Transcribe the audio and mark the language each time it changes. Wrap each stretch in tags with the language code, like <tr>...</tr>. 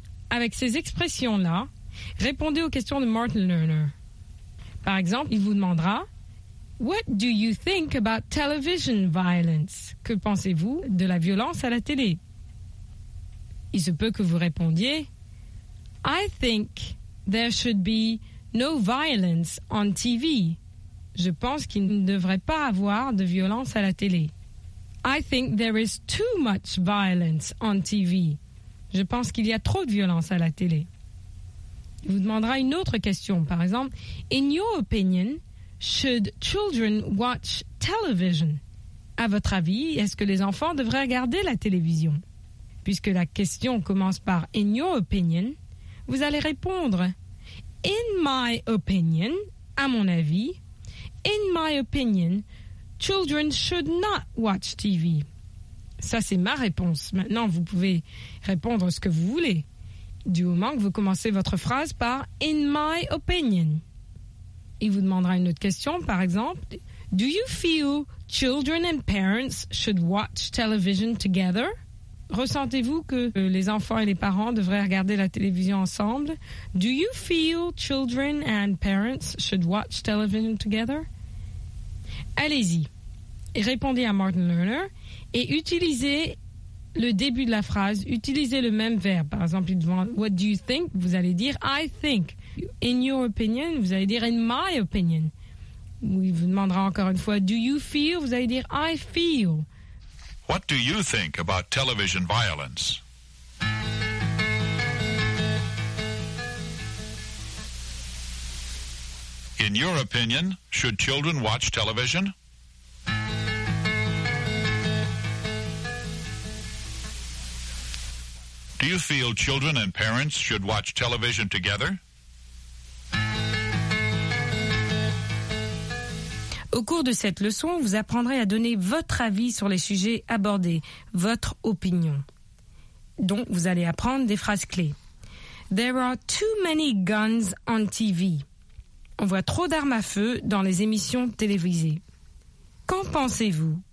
<fr>Avec ces expressions-là, répondez aux questions de Martin Lerner. Par exemple, il vous demandera</fr> <en>What do you think about television violence?</en> <fr>Que pensez-vous de la violence à la télé? Il se peut que vous répondiez</fr> <en>I think there should be no violence on TV.</en> <fr>Je pense qu'il ne devrait pas avoir de violence à la télé.</fr> <en>I think there is too much violence on TV.</en> <fr>Je pense qu'il y a trop de violence à la télé. Il vous demandera une autre question, par exemple</fr> <en>In your opinion, Should children watch television?</en> <fr>À votre avis, est-ce que les enfants devraient regarder la télévision? Puisque la question commence par</fr> <en>« In your opinion »,</en> <fr>vous allez répondre</fr> <en>« In my opinion »,</en> <fr>à mon avis,</fr> <en>« In my opinion, children should not watch TV ».</en> <fr>Ça, c'est ma réponse. Maintenant, vous pouvez répondre ce que vous voulez. Du moment que vous commencez votre phrase par «</fr> <en>In my opinion ».</en> <fr>Il vous demandera une autre question, par exemple,</fr> <en>Do you feel children and parents should watch television together?</en> <fr>Ressentez-vous que les enfants et les parents devraient regarder la télévision ensemble?</fr> <en>Do you feel children and parents should watch television together?</en> <fr>Allez-y, répondez à Martin Lerner et utilisez le début de la phrase, utilisez le même verbe. Par exemple, devant</fr> <en>What do you think?</en> <fr>Vous allez dire I think.</fr> <en>In your opinion,</en> <fr>vous allez dire</fr> <en>in my opinion.</en> <fr>Il vous demandera encore une fois,</fr> <en>do you feel?</en> <fr>Vous allez dire I feel.</fr> <en>What do you think about television violence? In your opinion, should children watch television? Do you feel children and parents should watch television together?</en> <fr>Au cours de cette leçon, vous apprendrez à donner votre avis sur les sujets abordés, votre opinion. Donc, vous allez apprendre des phrases clés.</fr> <en>There are too many guns on TV.</en> <fr>On voit trop d'armes à feu dans les émissions télévisées. Qu'en pensez-vous?</fr>